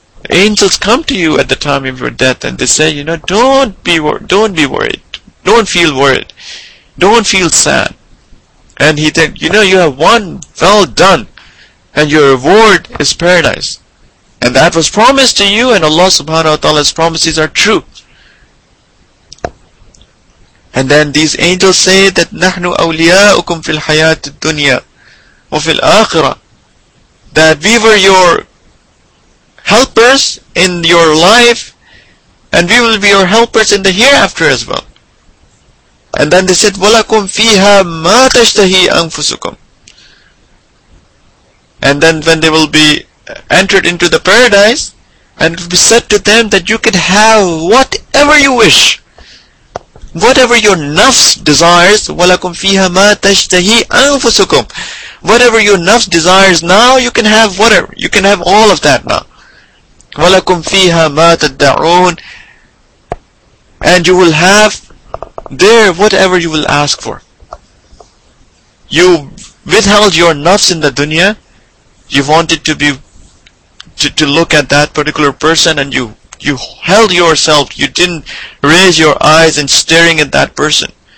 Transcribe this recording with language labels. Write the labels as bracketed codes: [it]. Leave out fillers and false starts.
[en] Angels come to you at the time of your death, and they say, you know, don't be worried, don't feel worried, don't feel sad. And he said, you know, you have won, well done, and your reward is paradise, and that was promised to you, and Allah [ar] subhanahu wa ta'ala's [en] promises are true. And then these angels say that [ar] نَحْنُ أَوْلِيَاءُكُمْ فِي الْحَيَاةِ الدُّنْيَا وَفِي الْآخِرَةِ. [en] That we were your helpers in your life, and we will be your helpers in the hereafter as well. And then they said [ar] وَلَكُمْ فِيهَا مَا تَشْتَهِي أَنفُسُكُمْ. [en] And then when they will be entered into the paradise, and it will be said to them that you can have whatever you wish. Whatever your nafs desires, [ar] وَلَكُمْ فِيهَا مَا تَشْتَهِي أَنفُسُكُمْ. [en] Whatever your nafs desires now, you can have whatever. You can have all of that now. [ar] وَلَكُمْ فِيهَا مَا تَدَّعُونَ. [en] And you will have there whatever you will ask for. You withheld your nafs in the dunya, you wanted to be to look at that particular person, and you held yourself, you didn't raise your eyes and staring at that person.